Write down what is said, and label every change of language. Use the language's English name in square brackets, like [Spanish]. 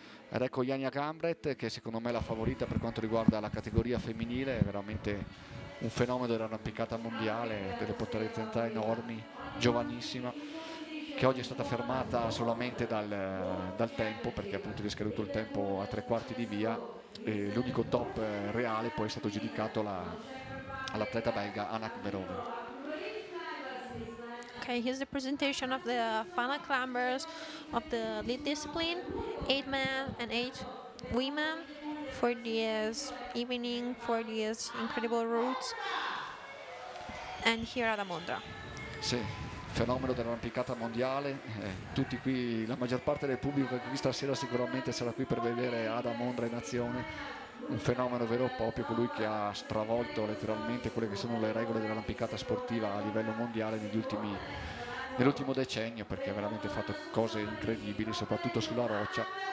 [Italian] Ed ecco Jania Gambret, che secondo me è la favorita per quanto riguarda la categoria femminile, è veramente un fenomeno dell'arrampicata mondiale, delle potenzialità enormi, giovanissima, che oggi è stata fermata solamente dal tempo, perché appunto gli è scaduto il tempo a 3/4 di via, e l'unico top reale poi è stato giudicato all'atleta belga Anak Verhoeven. [English] Okay, here's the presentation of the final climbers of the lead discipline, 8 men and 8 women, for this evening, for this incredible route. And here are the Mondra. [Italian] Sì, fenomeno dell'arrampicata mondiale, tutti qui, la maggior parte del pubblico che qui stasera sicuramente sarà qui per vedere Ada Mondra in azione, un fenomeno vero e proprio, colui che ha stravolto letteralmente quelle che sono le regole dell'arrampicata sportiva a livello mondiale nell'ultimo decennio, perché ha veramente fatto cose incredibili, soprattutto sulla roccia.